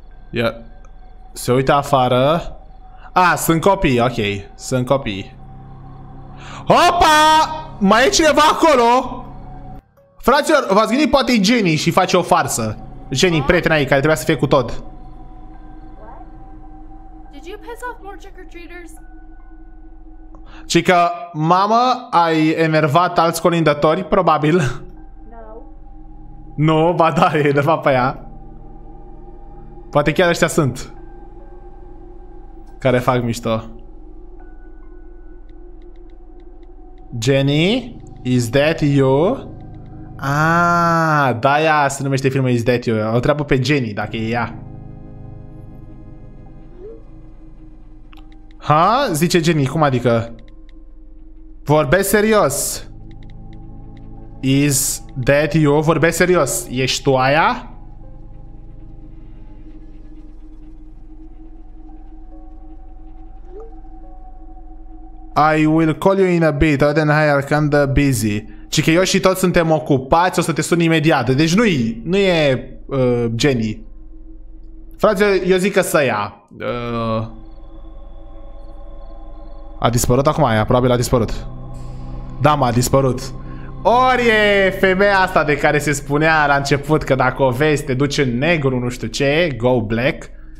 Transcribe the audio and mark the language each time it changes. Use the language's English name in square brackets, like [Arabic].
[Romanian] Ia. Se uită afară. Ah, sunt copii, ok, sunt copii. Hopa! Mai e cineva acolo? Fraților, v-ați gândit, poate e Jenny și face o farsă. Jenny, prietena ei, care trebuia să fie cu Todd. [English] Did you piss off more trick-or-treaters? [Romanian] Cică, mamă, ai enervat alți colindători, probabil. [English] No. [Romanian] Nu, ba da, e enervat pe ea. Poate chiar ăștia sunt. Care fac mișto. [English] Jenny, is that you? [Romanian] Aaaa, de-aia se numește filmul Is That You. O treabă pe Jenny, dacă e ea. Ha? Zice Jenny, cum adică? Vorbesc serios. [English] Is That You? [Romanian] Vorbesc serios. Ești tu aia? [English] I will call you in a bit, or then I are kinda busy. [Romanian] Și că eu și toți suntem ocupați, o să te sun imediat. Deci nu e Jenny. Frate, eu zic că să ia. A dispărut acum aia, probabil a dispărut. Da, m-a dispărut. Ori e femeia asta de care se spunea la început că dacă o vezi te duci în negru, nu știu ce, [English] go black.